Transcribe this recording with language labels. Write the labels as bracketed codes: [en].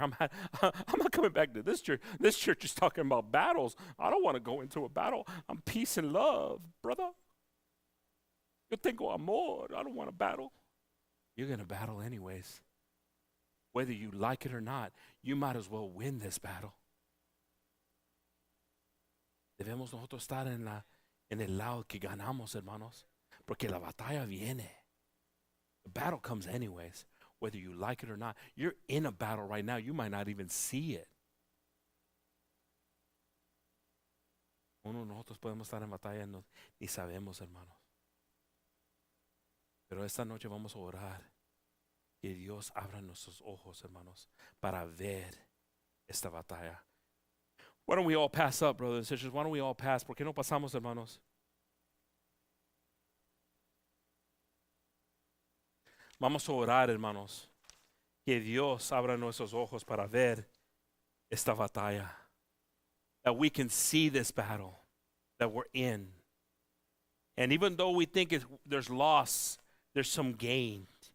[en] I'm not coming back to this church. This church is talking about battles. I don't want to go into a battle. I'm peace and love, brother. [es] Yo tengo amor. [en] I don't want a battle. You're going to battle anyways. Whether you like it or not, you might as well win this battle. [es] Debemos nosotros estar en el lado que ganamos, hermanos. Porque la batalla viene. [en] The battle comes anyways, whether you like it or not. You're in a battle right now. You might not even see it. [es] Uno de nosotros podemos estar en batalla, ni sabemos, hermanos. Pero esta noche vamos a orar y Dios abra nuestros ojos, hermanos, para ver esta batalla. [en] Why don't we all pass up, brothers and sisters? Why don't we all pass? [es] ¿Por qué no pasamos, hermanos? Vamos a orar, hermanos, que Dios abra nuestros ojos para ver esta batalla. [en] That we can see this battle that we're in. And even though we think there's loss, there's some gain.